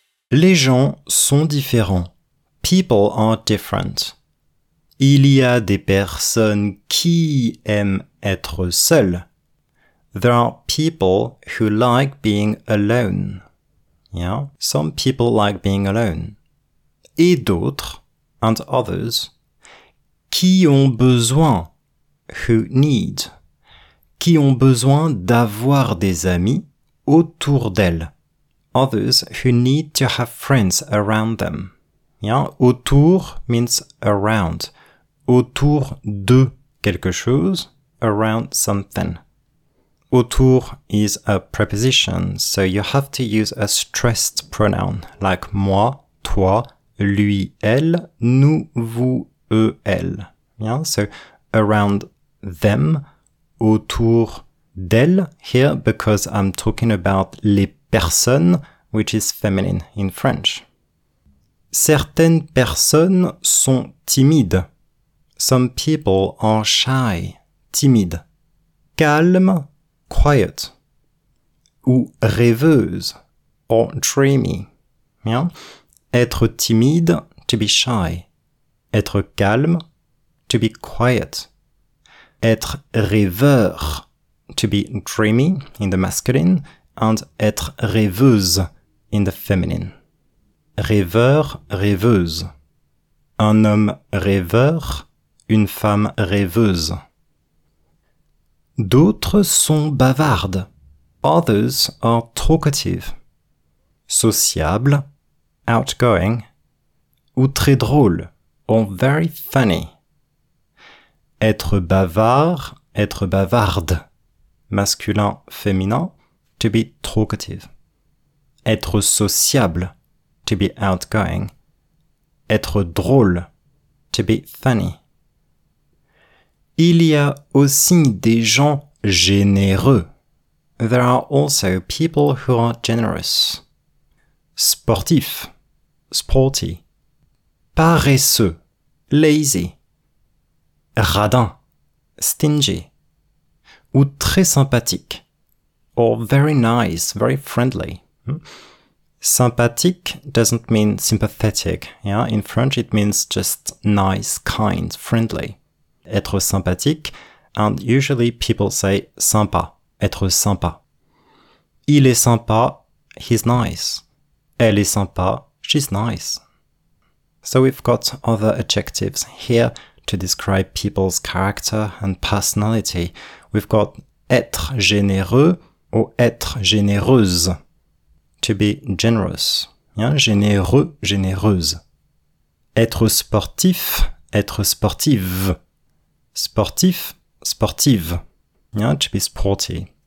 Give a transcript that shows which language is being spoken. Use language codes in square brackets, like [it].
[fr] Les gens sont différents. [en] People are different. [fr] Il y a des personnes qui aiment être seules. [en] There are people who like being alone. Yeah? Some people like being alone. [fr] Et d'autres, [en] and others, [fr] qui ont besoin, [en] who need, [fr] qui ont besoin d'avoir des amis autour d'elles. [en] Others who need to have friends around them. Yeah? Autour means around. [fr] Autour de quelque chose. [en] Around something. Autour is a preposition, so you have to use a stressed pronoun, like moi, toi, lui, elle, nous, vous, eux, elle. Yeah? So around them, [fr] autour d'elle, [en] here, because I'm talking about [fr] les personnes, [en] which is feminine in French. [fr] Certaines personnes sont timides. [en] Some people are shy, timide. [fr] Calme, [en] quiet. [fr] Ou rêveuse, [en] or dreamy. [fr] Bien. Être timide, [en] to be shy. [fr] Être calme, [en] to be quiet. [fr] Être rêveur, [en] to be dreamy in the masculine, and [fr] être rêveuse, [en] in the feminine. [fr] Rêveur, rêveuse. Un homme rêveur, une femme rêveuse. D'autres sont bavardes. [en] Others are talkative. Sociable, outgoing. [fr] Ou très drôle, [en] or very funny. [fr] Être bavard, être bavarde. Masculin, féminin, [en] to be talkative. [fr] Être sociable, [en] to be outgoing. [fr] Être drôle, [en] to be funny. [fr] Il y a aussi des gens généreux. [en] There are also people who are generous. [fr] Sportif. [en] Sporty. [fr] Paresseux. [en] Lazy. [fr] Radin. [en] Stingy. [fr] Ou très sympathique. [en] Or very nice, very friendly. Sympathique doesn't mean sympathetic. Yeah? In French, it means just nice, kind, friendly. [fr] Être sympathique, [en] and usually people say sympa, [fr] être sympa. Il est sympa, [en] he's nice. [fr] Elle est sympa, [en] she's nice. So we've got other adjectives here to describe people's character and personality. We've got [fr] être généreux ou être généreuse. [en] To be generous. Yeah? [fr] Généreux, généreuse. Être sportif, être sportive. Sportif, sportive. [en] Yeah? To be sporty.